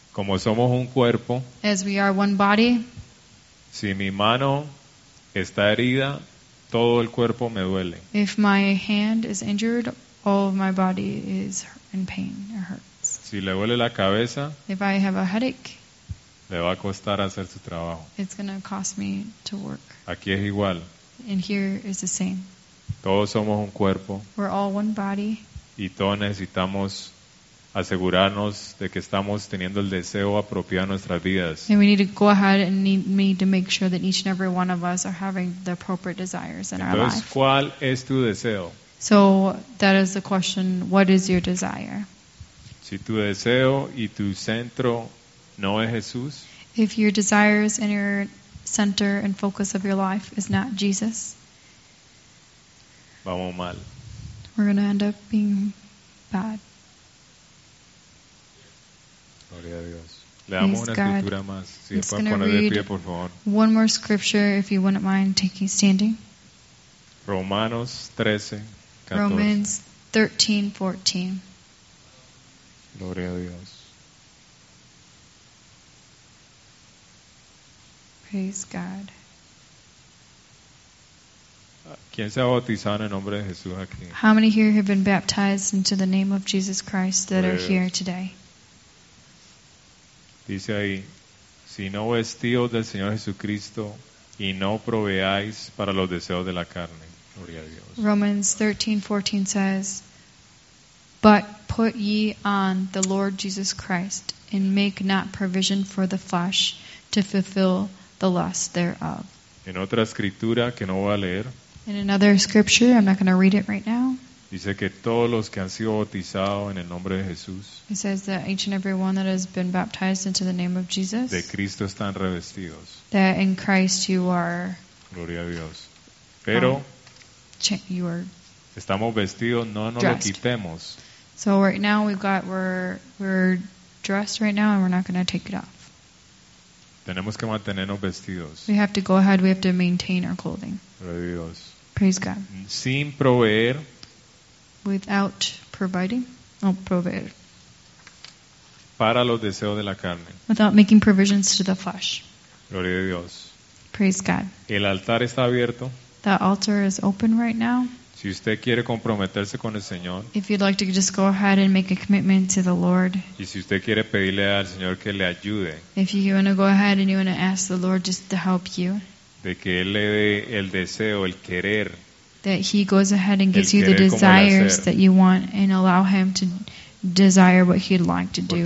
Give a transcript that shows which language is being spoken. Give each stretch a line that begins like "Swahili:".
Spanish: Como somos un cuerpo.
English: As we are one body.
Spanish: Si mi mano está herida, todo el cuerpo me duele.
English: If my hand is injured, all of my body is in pain or hurts.
Spanish: Si le duele la cabeza,
English: if I have a headache,
Spanish: le va a costar hacer su trabajo.
English: It's going to cost me to work.
Spanish: Aquí es igual.
English: And here is the same.
Spanish: Todos somos un cuerpo.
English: We're all one body.
Spanish: Y todos necesitamos asegurarnos de que estamos teniendo el deseo apropiado en nuestras vidas.
English: And we need to go ahead and need to make sure that each and every one of us are having the appropriate desires in our life.
Spanish: Entonces, ¿cuál es tu deseo?
English: So that is the question. What is your desire?
Spanish: Si tu deseo y tu centro no es Jesús.
English: If your desires and your center and focus of your life is not Jesus.
Spanish: Vamos mal.
English: We're going to end up being bad.
Spanish: Gloria a Dios. Leamos una escritura más. Si
English: it's
Spanish: puedes poner de pie, por favor.
English: One more scripture, if you wouldn't mind taking standing.
Spanish: Romanos 13, 14.
English: Romans 13, 14.
Spanish: Gloria a Dios.
English: Praise God.
Spanish: ¿Quién se ha bautizado en el nombre de Jesús aquí?
English: How many here have been baptized into the name of Jesus Christ that are here today?
Spanish: Dice ahí, si no vestíos del Señor Jesucristo y no proveáis para los deseos de la carne. Gloria a Dios.
English: Romans 13:14 says, but put ye on the Lord Jesus Christ and make not provision for the flesh to fulfill the lust thereof.
Spanish: En otra escritura que no voy a leer.
English: In another scripture, I'm not going to read it right now.
Spanish: Dice que todos los que han sido bautizados en el nombre de Jesús.
English: It says that each and every one that has been baptized into the name of Jesus.
Spanish: De Cristo están revestidos. That in Christ you are. Gloria a Dios. Pero.
English: You are.
Spanish: Estamos vestidos, no nos
English: dressed.
Spanish: Lo quitemos.
English: So right now we're dressed right now and we're not going to take it off.
Spanish: Tenemos que mantenernos vestidos.
English: We have to go ahead. We have to maintain our clothing.
Spanish: Gloria a Dios.
English: Praise God.
Spanish: Sin proveer.
English: Without providing, or proveer.
Spanish: Para los deseos de la carne.
English: Without making provisions to the flesh.
Spanish: Gloria a Dios.
English: Praise God.
Spanish: El altar está abierto.
English: The altar is open right now.
Spanish: Si usted quiere comprometerse con el Señor.
English: If you'd like to just go ahead and make a commitment to the Lord.
Spanish: Y si usted quiere pedirle al Señor que le ayude.
English: If you want to go ahead and you want to ask the Lord just to help you.
Spanish: De que Él le dé el deseo, el querer.
English: That he goes ahead and gives you the desires that you want and allow him to desire what he'd like to do in you.